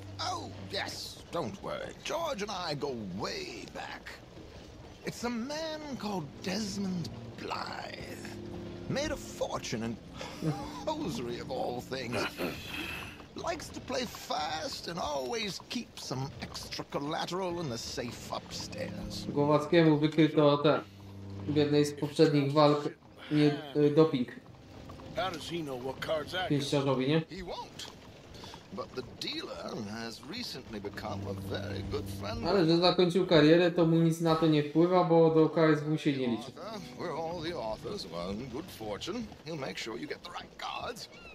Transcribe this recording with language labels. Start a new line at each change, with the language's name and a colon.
English: Oh, yes. Don't worry. George and I go way back. It's a man called Desmond Blythe. Made a fortune in hosiery of all things. Likes to play fast and always keep some extra collateral in the safe upstairs.
Polish: Głowackiemu wykryto te w jednej z poprzednich walk nie doping.
English: How does he know what cards are? He won't. But the dealer has recently become a very good friend.
Polish: Ale że zakończył karierę, to mu nic na to nie wpływa, bo do KSW się nie liczy.
English: We're all the authors of our good fortune. He'll make sure you get the right cards.